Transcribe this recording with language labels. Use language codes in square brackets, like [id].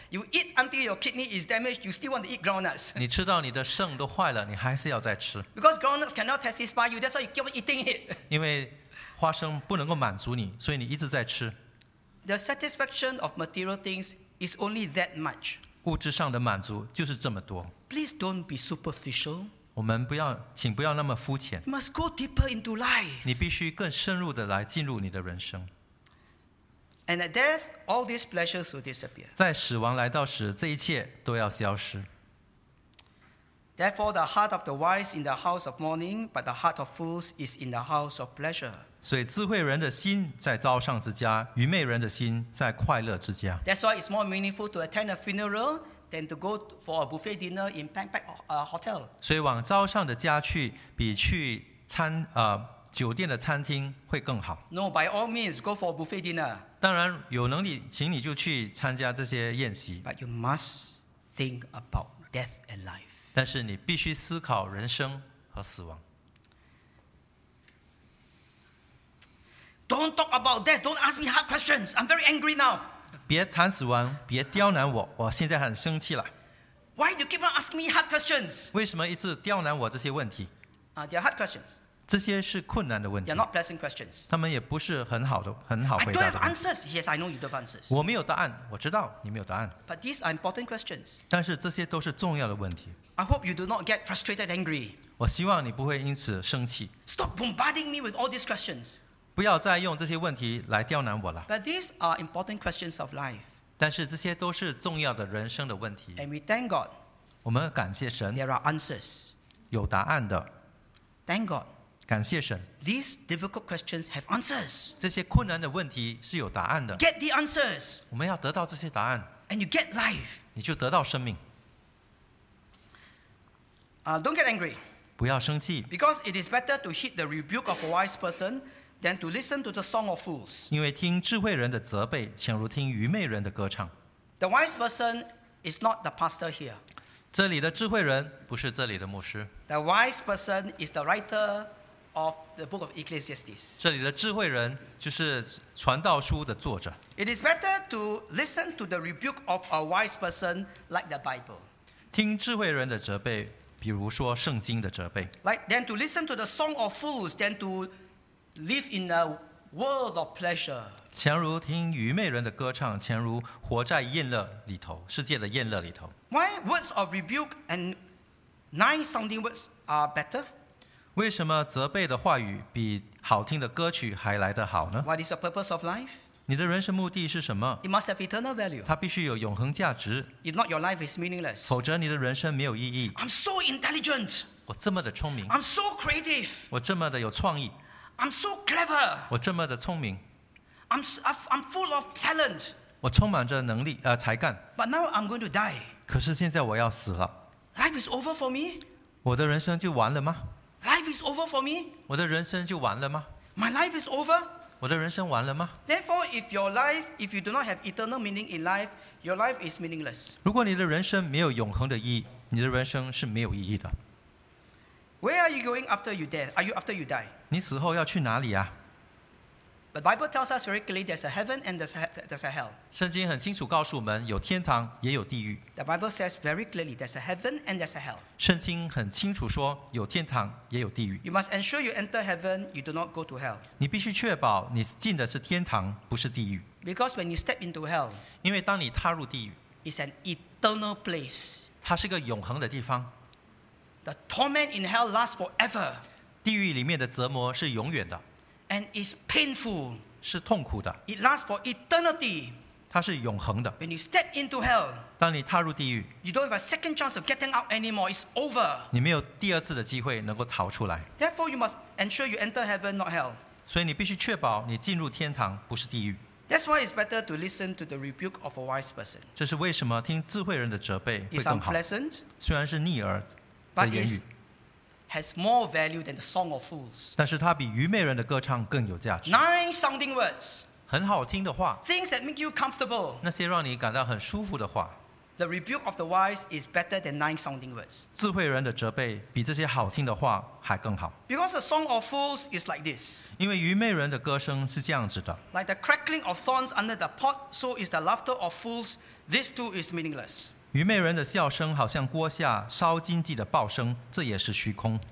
[en] You eat until your kidney is damaged, you still want to eat groundnuts. [zh] 你吃到你的肾都坏了，你还是要再吃。 [en] Because groundnuts cannot satisfy you, that's why you keep eating it. [zh] 因为花生不能够满足你，所以你一直在吃。 [en] The satisfaction of material things is only that much. [zh] 物质上的满足就是这么多。 [en] Please don't be superficial. [zh] 我们不要，请不要那么肤浅。 [en] You must go deeper into life. [zh] 你必须更深入的来进入你的人生。 [en] And at death, all these pleasures will disappear. [zh] 在死亡来到时，这一切都要消失。 [en] Therefore, the heart of the wise is in the house of mourning, but the heart of fools is in the house of pleasure. [zh] 所以智慧人的心在遭丧之家，愚昧人的心在快乐之家。 [en] That's why it's more meaningful to attend a funeral than to go for a buffet dinner in Pangpak hotel. [zh] 所以往遭丧的家去，比去酒店的餐厅会更好。 [en] No, by all means, go for a buffet dinner. [zh] 当然有能力，请你就去参加这些宴席。 [en] But you must think about death and life. [zh] 但是你必须思考人生和死亡。 [en] Don't talk about death. Don't ask me hard questions. I'm very angry now. [zh] 别谈死亡，别刁难我，我现在很生气了。 [en] Why do you keep on asking me hard questions? [zh] 为什么一直刁难我这些问题？ [en] They are hard questions. [zh] 这些是困难的问题。 [en] They are not pleasant questions. [zh] 他们也不是很好回答的。 [en] I don't have answers. Yes, I know you don't have answers. [zh] 我没有答案，我知道你没有答案。 [en] But these are important questions. [zh] 但是这些都是重要的问题。 [en] I hope you do not get frustrated, angry. [zh] 我希望你不会因此生气。 [en] Stop bombarding me with all these questions. [zh] 不要再用这些问题来刁难我了。 [en] But these are important questions of life. [zh] 但是这些都是重要的人生的问题。 [en] And we thank God. [zh] 我们感谢神。 [en] There are answers. [zh] 有答案的。 [en] Thank God. [zh] 感谢神。 [en] These difficult questions have answers. [zh] 这些困难的问题是有答案的。 [en] Get the answers. [zh] 我们要得到这些答案。 [en] And you get life. [zh] 你就得到生命。 [en] Don't get angry. [zh] 不要生气。 [en] Because it is better to heed the rebuke of a wise person than to listen to the song of fools. [zh] 因为听智慧人的责备，且如听愚昧人的歌唱。 [en] The wise person is not the pastor here. [zh] 这里的智慧人不是这里的牧师。 [en] The wise person is the writer. Of the book of Ecclesiastes. [zh] 这里的智慧人就是传道书的作者。 [en] It is better to listen to the rebuke of a wise person like the Bible. [zh] 听智慧人的责备，比如说圣经的责备。 [en] Like than to listen to the song of fools, than to live in a world of pleasure. [zh] 前如听愚昧人的歌唱，前如活在宴乐里头，世界的宴乐里头。 [en] Why words of rebuke and nice sounding words are better? [zh] 为什么责备的话语比好听的歌曲还来得好呢 [en] ？What is the purpose of life？ [zh] 你的人生目的是什么 [en] ？It must have eternal value。 [zh] 它必须有永恒价值。 [en] If not, your life is meaningless。 [zh] 否则你的人生没有意义。 [en] I'm so intelligent。 [zh] 我这么的聪明。 [en] I'm so creative。 [zh] 我这么的有创意。 [en] I'm so clever。 [zh] 我这么的聪明。 [en] I'm full of talent。 [zh] 我充满着能力，才干。 [en] But now I'm going to die。 [zh] 可是现在我要死了。 [en] Life is over for me。 [zh] 我的人生就完了吗？ [en] Life is over for me. [zh] 我的人生就完了吗 [en] ？My life is over. [zh] 我的人生完了吗 [en] ？Therefore, if your life, if you do not have eternal meaning in life, your life is meaningless. [zh] 如果你的人生没有永恒的意义，你的人生是没有意义的。 [en] Where are you going after you die? Are you after you die? [zh] 你死后要去哪里啊 [en] ？But Bible tells us very clearly there's a heaven and there's a hell. [zh] 圣经很清楚告诉我们，有天堂也有地狱。 [en] The Bible says very clearly there's a heaven and there's a hell. [zh] 圣经很清楚说有天堂也有地狱。 [en] You must ensure you enter heaven, you do not go to hell. [zh] 你必须确保你进的是天堂，不是地狱。 [en] Because when you step into hell, [zh] 因为当你踏入地狱 [en] ，it's an eternal place. [zh] 它是个永恒的地方。 [en] The torment in hell lasts forever. [zh] 地狱里面的折磨是永远的。 [en] And it's painful. [zh] 是痛苦的。 [en] It lasts for eternity. [zh] 它是永恒的。 [en] When you step into hell. [zh] 当你踏入地狱， [en] you don't have a second chance of getting out anymore. It's over. [zh] 你没有第二次的机会能够逃出来。 [en] Therefore, you must ensure you enter heaven, not hell. [zh] 所以你必须确保你进入天堂，不是地狱。 [en] That's why it's better to listen to the rebuke of a wise person. [zh] 这是为什么听智慧人的责备会更好。 [en] It's unpleasant. [zh] 虽然是逆耳的言语。 [en] But it has more value than the song of fools. [zh] 但是它比愚昧人的歌唱更有价值。 [en] Nice sounding words. [zh] 很好听的话。 [en] Things that make you comfortable. [zh] 那些让你感到很舒服的话。 [en] The rebuke of the wise is better than nice sounding words. [zh] 智慧人的责备比这些好听的话还更好。 [en] Because the song of fools is like this. [zh] 因为愚昧人的歌声是这样子的。 [en] Like the crackling of thorns under the pot, so is the laughter of fools. This too is meaningless. [zh] 愚昧人的笑声好像锅下烧荆棘的爆声，这也是虚空。